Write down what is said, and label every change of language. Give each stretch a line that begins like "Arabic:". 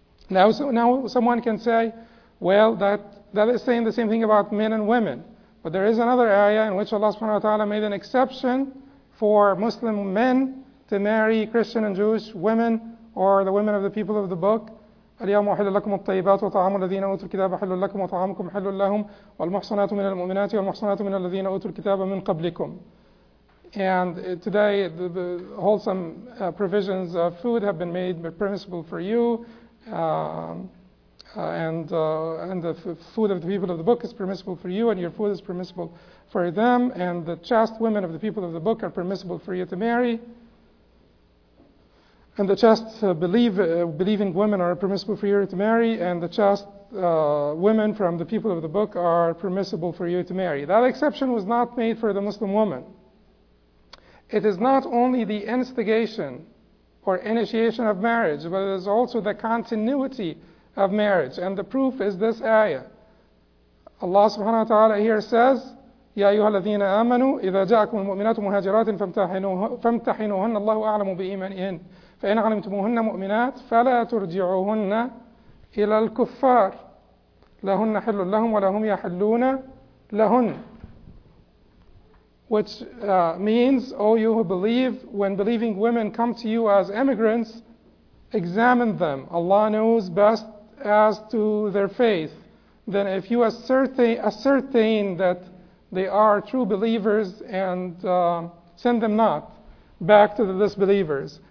English: Now, now someone can say, well, that is saying the same thing about men and women. But there is another ayah in which Allah subhanahu wa ta'ala made an exception for Muslim men to marry Christian and Jewish women, or the women of the people of the book.
Arabic: اليوم أحل لكم الطيبات وطعام الذين أوتوا الكتاب حل لكم وطعامكم حل لهم والمحصنات من المؤمنات والمحصنات من الذين أوتوا الكتاب من قبلكم.
English: And today the wholesome provisions of food have been made permissible for you, and the food of the people of the book is permissible for you, and your food is permissible for them, and the chaste women of the people of the book are permissible for you to marry. And the chaste believing women are permissible for you to marry, and the chaste women from the people of the book are permissible for you to marry. That exception was not made for the Muslim woman. It is not only the instigation or initiation of marriage, but it is also the continuity of marriage. And the proof is this ayah. Allah subhanahu wa ta'ala here says,
Arabic: يَا أَيُّهَا الَّذِينَ آمَنُوا إِذَا جَاءَكُمُ الْمُؤْمِنَاتُ مُهَاجِرَاتٍ فَامْتَحِنُوهُنَّ اللَّهُ أَعْلَمُ بِإِيمَانِهِنَّ فَإِنْ عَلِمْتُمُوهُنَّ مُؤْمِنَاتٍ فَلَا تُرْجِعُوهُنَّ إِلَى الْكُفَّارِ لَهُنَّ حِلٌّ لَهُمْ وَلَهُمْ يَحِلُّونَ لَهُنَّ.
English: Which means, O you who believe, when believing women come to you as immigrants, examine them. Allah knows best as to their faith. Then if you ascertain that they are true believers, and send them not back to the disbelievers.